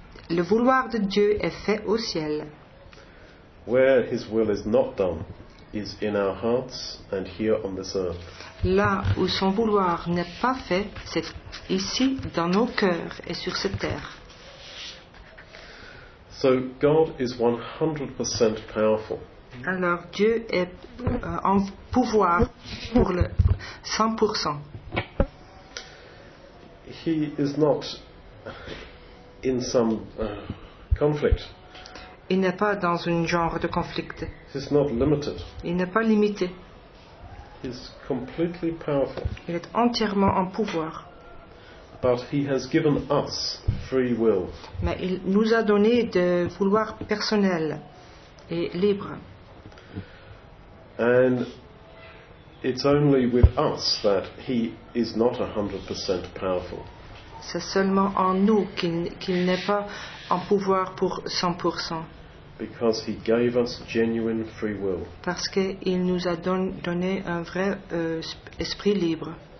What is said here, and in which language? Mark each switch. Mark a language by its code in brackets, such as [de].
[fr] Le vouloir de Dieu est fait au ciel. [en] Where his will is not done is in our hearts and here on this earth. [fr] Là où son vouloir n'est pas fait, c'est ici dans nos cœurs et sur cette terre. [en] So God is 100% powerful. [fr] Alors Dieu est en pouvoir pour le 100%. [en] He is not in some conflict. [fr] Il n'est pas dans un genre de conflit. [en] He's not limited. [fr] Il n'est pas limité. [en] He's completely powerful. [fr] Il est entièrement en pouvoir. [en] But he has given us free will. [fr] Mais il nous a donné de vouloir personnel et libre. [en] And it's only with us that he is not 100% powerful. [fr] C'est seulement en nous qu'il n'est pas en pouvoir pour 100%. [en] Because he gave us genuine free will. [fr] Parce qu'il nous a donné un vrai esprit libre.